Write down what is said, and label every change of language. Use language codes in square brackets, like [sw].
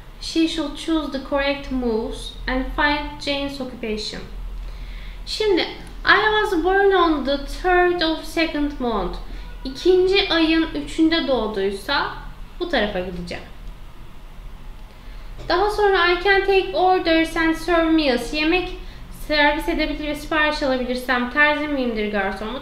[en] She shall choose the correct moves and find Jane's occupation. [tr] Şimdi, [en] I was born on the 3rd of 2nd month. [tr] İkinci ayın 3'ünde doğduysa bu tarafa gideceğim. Daha sonra [en] I can take orders and serve meals. [tr] Yemek servis edebilir ve sipariş alabilirsem terzi miyimdir, garson mu?